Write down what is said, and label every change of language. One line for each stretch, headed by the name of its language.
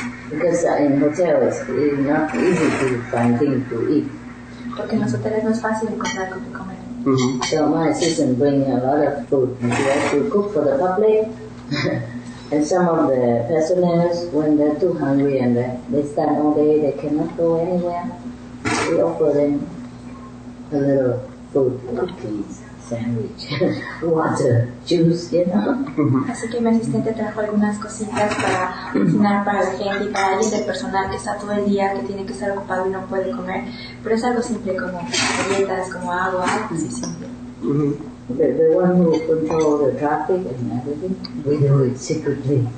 English: Because in hotels, it's not easy to find things to eat.
Spanish: Porque en los hoteles no es fácil encontrar algo que comer.
English: So my assistant bring a lot of food and she has to cook for the public. And some of the personnel, when they're too hungry and they stand all day, they cannot go anywhere. We offer them a little food, cookies, sandwich, water, juice, you know.
Spanish: Así que mi asistente trajo algunas cositas para cocinar para la gente y para alguien del personal que está todo el día, que tiene que estar ocupado y no puede comer. Pero es algo simple como galletas, como agua, algo así simple.
English: The one who control the traffic and everything, we do it secretly.